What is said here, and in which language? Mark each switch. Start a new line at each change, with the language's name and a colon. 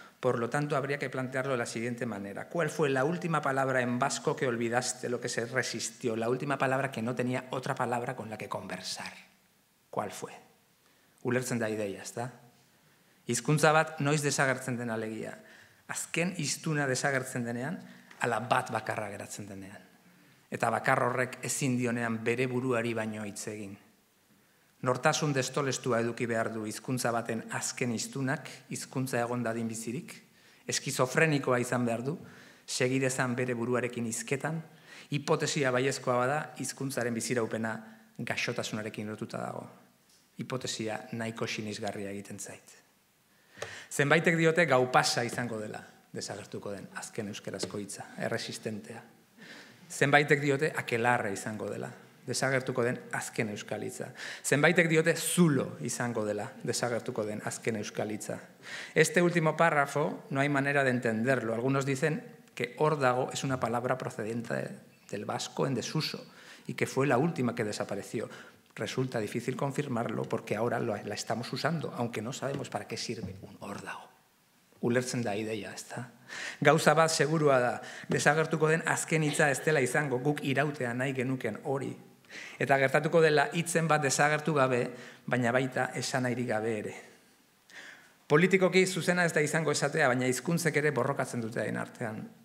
Spanish: Por lo tanto, habría que plantearlo de la siguiente manera. ¿Cuál fue la última palabra en vasco que olvidaste, lo que se resistió? La última palabra que no tenía otra palabra con la que conversar. ¿Cuál fue?
Basque: Ulertzen da ideia, ezta? Hizkuntza bat noiz desagertzen den alegia. Azken hiztuna desagertzen denean, ala bat bakarra geratzen denean. Eta bakar horrek ezin dionean bere buruari baino hitz egin. Nortasun destolestua eduki behar du hizkuntza baten azken hiztunak, hizkuntza egon dadin bizirik, eskizofrenikoa izan behar du, segidezan bere buruarekin hizketan, hipotesia baiezkoa bada hizkuntzaren biziraupena gaixotasunarekin lotuta dago. Hipotesia nahiko sinisgarria egiten zait. Zenbaitek diote gau pasa izango dela, desagertuko den azken euskarazko hitza, erresistentea. Zenbaitek diote akelarra izango dela, desagertuko den azken euskalitza. Zenbaitek diote zulo izango dela, desagertuko den azken euskalitza.
Spanish: Este último párrafo no hay manera de entenderlo. Algunos dicen que órdago es una palabra procedente del vasco en desuso y que fue la última que desapareció. Resulta difícil confirmarlo porque ahora la estamos usando, aunque no sabemos para qué sirve un órdago.
Basque: Ulertzen da ideia, ez da. Gauza bat segurua da, desagertuko den azken hitza ez dela izango, guk irautea nahi genuken hori. Eta gertatuko dela hitzen bat desagertu gabe, baina baita esan nahiri gabe ere. Politikoki zuzena ez da izango esatea, baina hizkuntzek ere borrokatzen dute hain artean.